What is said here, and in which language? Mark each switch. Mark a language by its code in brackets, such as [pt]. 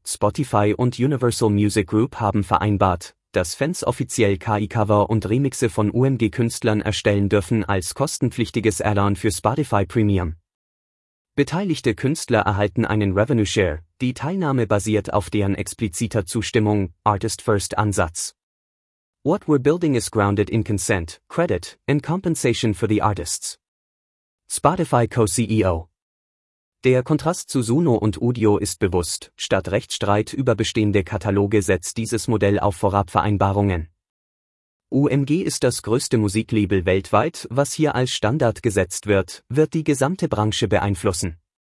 [de] Spotify und Universal Music Group haben vereinbart, dass Fans offiziell KI-Cover und Remixe von UMG-Künstlern erstellen dürfen als kostenpflichtiges Add-on für Spotify Premium. Beteiligte Künstler erhalten einen Revenue Share, die Teilnahme basiert auf deren expliziter Zustimmung, Artist-First-Ansatz. [en] What we're building is grounded in consent, credit and compensation for the artists. Spotify Co-CEO. [de] Der Kontrast zu Suno und Udio ist bewusst, statt Rechtsstreit über bestehende Kataloge setzt dieses Modell auf Vorabvereinbarungen. UMG ist das größte Musiklabel weltweit, was hier als Standard gesetzt wird, wird die gesamte Branche beeinflussen.